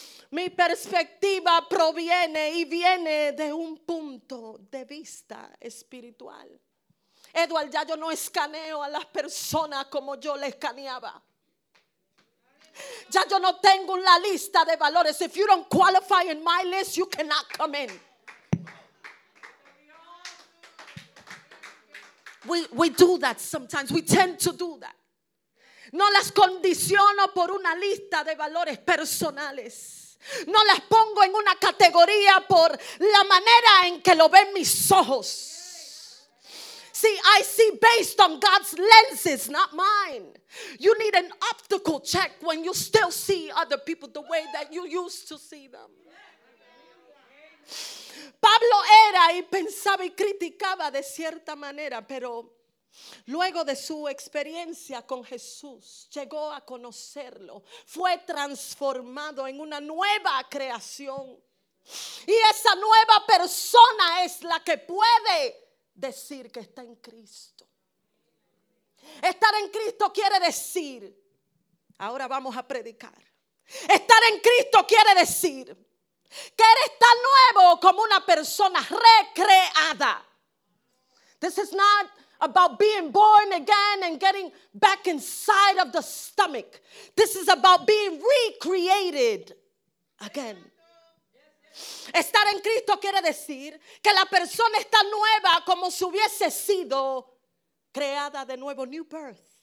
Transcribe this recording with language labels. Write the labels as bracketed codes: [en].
[es] Mi perspectiva proviene y viene de un punto de vista espiritual. Edward, ya yo no escaneo a las personas como yo le escaneaba. Ya yo no tengo una lista de valores. [en] If you don't qualify in my list, you cannot come in. We do that sometimes. We tend to do that. [es] No las condiciono por una lista de valores personales. No las pongo en una categoría por la manera en que lo ven mis ojos. [en] See, I see based on God's lenses, not mine. You need an optical check when you still see other people the way that you used to see them. [es] Pablo era y pensaba y criticaba de cierta manera, pero luego de su experiencia con Jesús, llegó a conocerlo, fue transformado en una nueva creación. Y esa nueva persona es la que puede decir que está en Cristo. Estar en Cristo quiere decir, ahora vamos a predicar. Estar en Cristo quiere decir que eres tan nuevo como una persona recreada. [en] This is not about being born again and getting back inside of the stomach. This is about being recreated again. [es] Estar en Cristo quiere decir que la persona está nueva como si hubiese sido creada de nuevo, [en] new birth.